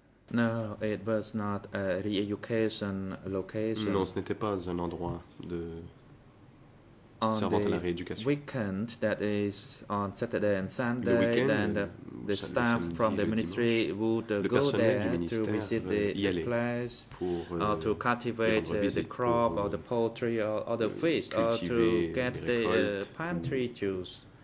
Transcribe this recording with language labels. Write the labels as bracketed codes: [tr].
[en] No, it was not a re-education location. [fr] Non, ce n'était pas un endroit de servant à la rééducation. [en] Weekend, that is on Saturday and Sunday, then the staff from the ministry would go there to visit the place, or to cultivate the crop or the poultry or the fish, or to get the palm tree juice.